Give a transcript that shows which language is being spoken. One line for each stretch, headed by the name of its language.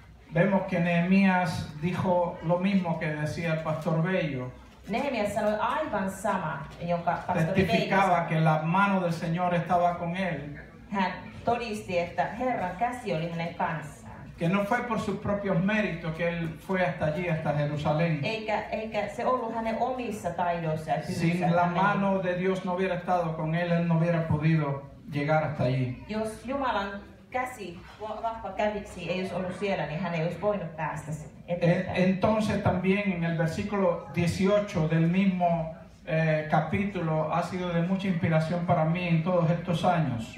Spanish: Vemos que Nehemías dijo lo mismo que decía el pastor Bello.
Finnish: Nehemías sanoi aivan sama, jonka pastori
Spanish: Bello testificaba que la mano del Señor estaba con él.
Finnish: Hän todisti, että Herran käsi oli hänen kanssaan.
Spanish: Que no fue por sus propios méritos que él fue hasta allí, hasta Jerusalén.
Finnish: Eikä se ollut hänen omissa taidoissa.
Spanish: Sin la mano de Dios no hubiera estado con él, él no hubiera podido llegar hasta allí.
Finnish: Jos Jumalan käsi, vahva käsiksi ei olisi ollut siellä, niin hän ei olisi voinut päästä eteenpäin.
Spanish: Entonces también en el versículo 18 del mismo capítulo ha sido de mucha inspiración para mí en todos estos años.